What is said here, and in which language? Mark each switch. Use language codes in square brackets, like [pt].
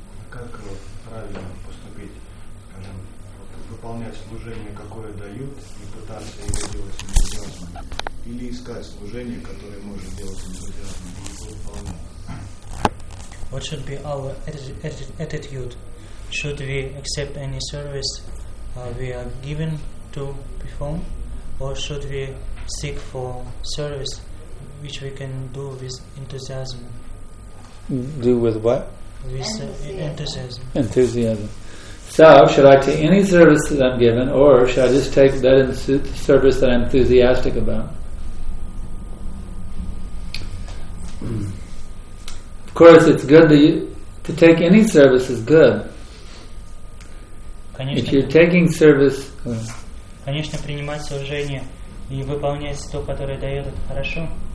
[ru] Как правильно поступить, скажем, выполнять служение, какое дают, и пытаться его делать энтузиазмом? Или искать служение, которое можно делать энтузиазмом, и его выполнять? [en] What should be our attitude? Should we accept any service we are given to perform? Or should we seek for service which we can do with enthusiasm? Do with what? With enthusiasm. Enthusiasm. So, should I take any service that I'm given, or should I just take that service that I'm enthusiastic about? Of course, it's good to take any service is good. [ru] Конечно, [en] if you're taking service... [ru] Конечно, принимать служение и выполнять то, которое дает, это хорошо.